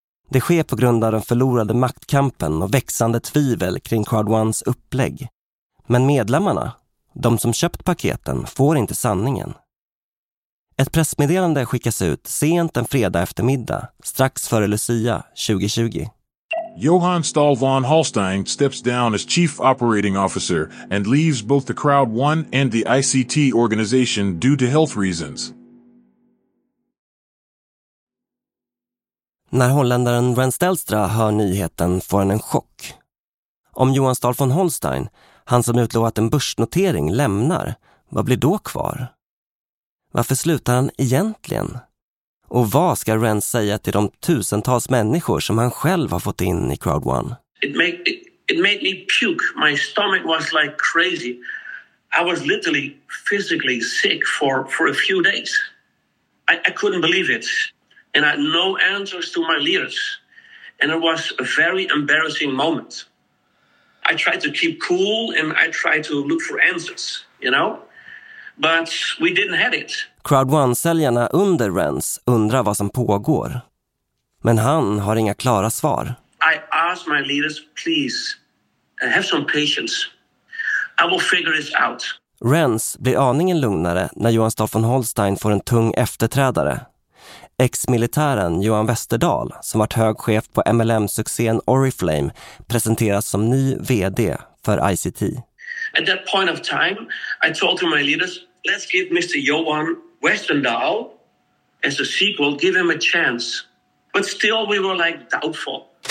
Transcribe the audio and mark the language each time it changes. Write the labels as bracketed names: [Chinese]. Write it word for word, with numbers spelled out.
[Swedish] Det sker på grund av den förlorade maktkampen och växande tvivel kring Crowd one's upplägg. Men medlemmarna, de som köpt paketen, får inte sanningen. Ett pressmeddelande skickas ut sent en fredag eftermiddag, strax före Lucia tjugohundratjugo. [English] Johan Stahl von Holstein steps down as chief operating officer and leaves both the Crowd one and the I C T organization due to health reasons. [Swedish] När holländaren Rens Delstra hör nyheten får han en chock. Om Johan Stahl von Holstein, han som utlovat en börsnotering, lämnar, vad blir då kvar? Varför slutar han egentligen? Och vad ska Rens säga till de tusentals människor som han själv har fått in i Crowd one? [English] It made, it, it made me puke. My stomach was like crazy. I was literally physically sick for, for a few days. I, I couldn't believe it. And I had no answers to my leaders. And it was a very embarrassing moment. I tried to keep cool and I tried to look for answers, you know? But we didn't have it. [Swedish] Crowd one-säljarna under Rens undrar vad som pågår. Men han har inga klara svar. [English] I asked my leaders, please, have some patience. I will figure this out. [Swedish] Rens blir aningen lugnare när Johan Stahl von Holstein får en tung efterträdare. Ex-militären Johan Westerdahl, som varit högchef på M L M-succén Oriflame, presenteras som ny vd för I C T. [English] At that point of time, I told to my leaders, let's give mister Johan Westerdahl as a sequel, give him a chance. But still we were like doubtful.